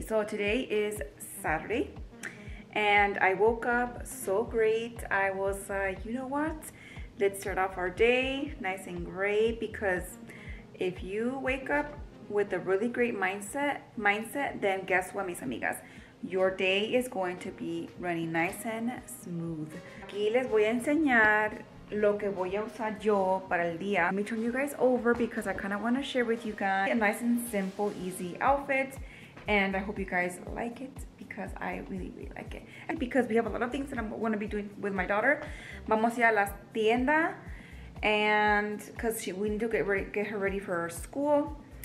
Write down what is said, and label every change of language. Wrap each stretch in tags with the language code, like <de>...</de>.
<en>So today is Saturday and I woke up so great. I was like, you know what? Let's start off our day nice and great, because if you wake up with a really great mindset, then guess what,</en> <es>mis amigas?</es> <en>Your day is going to be running nice and smooth.</en> <es>Aquí les voy a enseñar lo que voy a usar yo para el día.</es> <en>Let me turn you guys over because I kind of want to share with you guys a nice and simple, easy outfit. And I hope you guys like it, because I really, really like it. And because we have a lot of things that I'm going to be doing with my daughter.</en> <es>Vamos a ir a la tienda.</es> <en>And because we need to get her ready for her school.</en>